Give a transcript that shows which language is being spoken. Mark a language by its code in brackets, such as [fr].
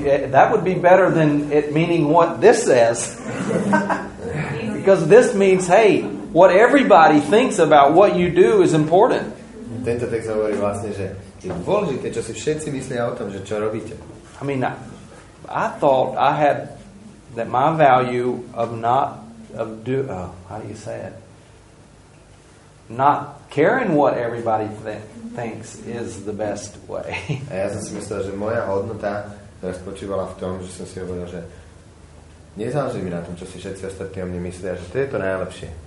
[en] That would be better than it meaning what this says. Because this means, hey, what everybody thinks about what you do is important. [sk] Tento text hovorí vlastne, že je dôležité, čo si všetci myslia o tom, že čo robíte. [en] I mean, I thought I had that my value not caring what everybody thinks is the best way. [sk] A ja som si myslel, že moja hodnota spočívala v tom, že som si hovoril, že nezáleží mi na tom, čo si všetci ostatní o mne myslia, že to je to najlepšie.